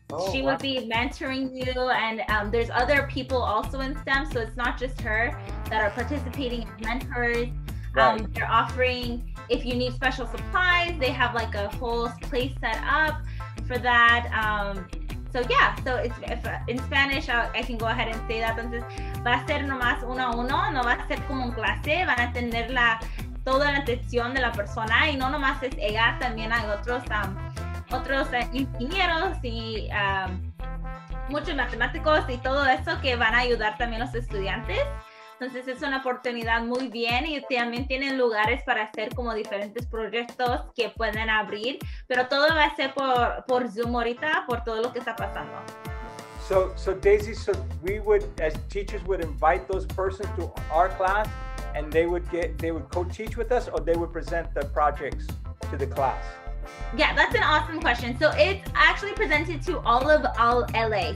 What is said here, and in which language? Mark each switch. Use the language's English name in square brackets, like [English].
[English] She would be mentoring you, and there's other people also in STEM, so it's not just her that are participating as mentors. Right. They're offering, if you need special supplies, they have like a whole place set up for that. So it's, if in Spanish, I can go ahead and say that. [Spanish] Entonces, va a ser nomás uno a uno, no va a ser como un clase, van a tener la, toda la atención de la persona, y no nomás es ella, también hay otros, otros ingenieros y muchos matemáticos y todo eso que van a ayudar también los estudiantes. Entonces es una oportunidad muy bien y también tienen lugares para hacer como diferentes proyectos que pueden abrir, pero todo va a ser por Zoom ahorita por todo lo que está pasando. [English] So Daisy, so we would, as teachers, would invite those persons to our class and they would co-teach with us, or they would present the projects to the class? Yeah, that's an awesome question. So it's actually presented to all LA.